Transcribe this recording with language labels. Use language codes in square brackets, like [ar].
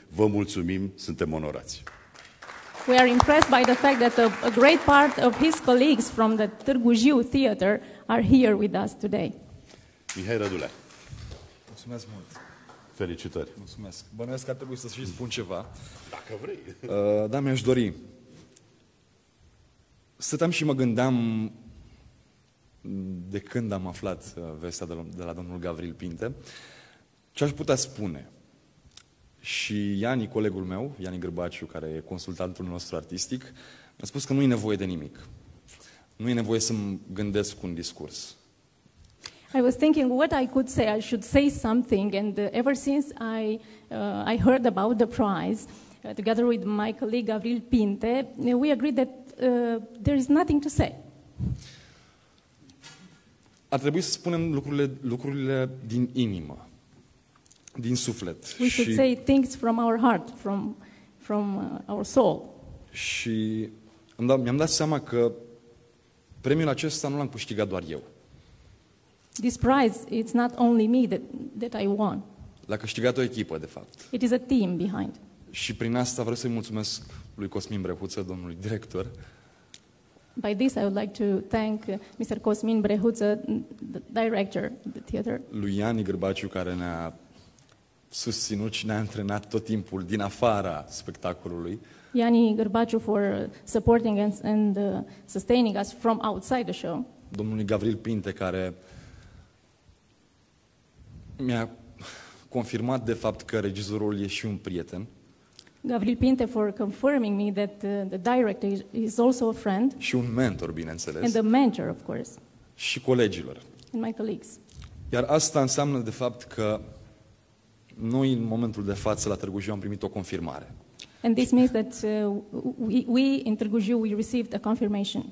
[ro] Vă mulțumim, suntem onorați. [en] We are impressed by the fact that a great part of his colleagues from the Târgu Jiu Theater are here with us today. [ro] Mihai Rădulea. Mulțumesc mult. Felicitări. Mulțumesc. Bănuiesc că trebuie să și spun ceva. Dacă vrei. Da, mi-aș dori. Stăteam și mă gândeam de când am aflat vestea de la domnul Gavril Pinte, ce aș putea spune. Și Iani, colegul meu, Iani Grbaciu, care e consultantul nostru artistic, mi-a spus că nu e nevoie de nimic. Nu e nevoie să-mi gândesc un discurs. [en] I was thinking what I could say, I should say something, and ever since I heard about the prize, together with my colleague Gavril Pinte, we agreed that there is nothing to say. [ro] Ar trebui să spunem lucrurile din inimă, din suflet. [en] We should say things from our heart, from our soul. [ro] Și mi-am dat seama că premiul acesta nu l-am câștigat doar eu. [en] This prize, it's not only me that I won. [ro] L-a câștigat o echipă, de fapt. [en] It is a team behind. [ro] Și prin asta vreau să-i mulțumesc lui Cosmin Brehuță, domnului director. [en] By this I would like to thank Mr. Cosmin Brehuță, the director of the theater. [ro] Lui Iani Grbaciu, care ne-a susținut și ne-a antrenat tot timpul din afara spectacolului. [en] Iani Grbaciu for supporting and sustaining us from outside the show. [ro] Domnului Gavril Pinte, care mi-a confirmat de fapt că regizorul e și un prieten. [en] Gavril Pinte for confirming me that the director is also a friend. [ro] Și un mentor, bineînțeles. [en] And a mentor, of course. [ro] Și colegilor. [en] And my colleagues. [ro] Iar asta înseamnă de fapt că noi în momentul de față la Târgu Jiu am primit o confirmare. [en] And this means that we in Târgu Jiu we received a confirmation.